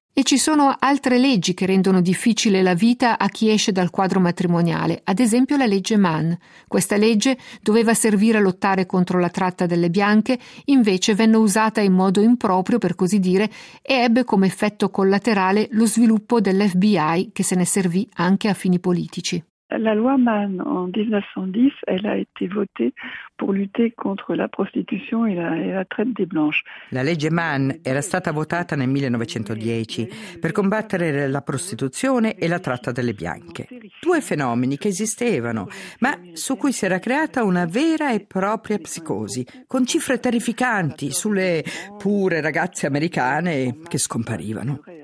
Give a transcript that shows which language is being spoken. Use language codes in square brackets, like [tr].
[it] E ci sono altre leggi che rendono difficile la vita a chi esce dal quadro matrimoniale, ad esempio la legge Mann. Questa legge doveva servire a lottare contro la tratta delle bianche, invece venne usata in modo improprio, per così dire, e ebbe come effetto collaterale lo sviluppo dell'FBI, che se ne servì anche a fini politici. [fr] La loi Mann en 1910, elle a été votée pour lutter contre la prostitution et la traite des blanches. [it] La legge Mann era stata votata nel 1910 per combattere la prostituzione e la tratta delle bianche. Due fenomeni che esistevano, ma su cui si era creata una vera e propria psicosi, con cifre terrificanti sulle pure ragazze americane che scomparivano.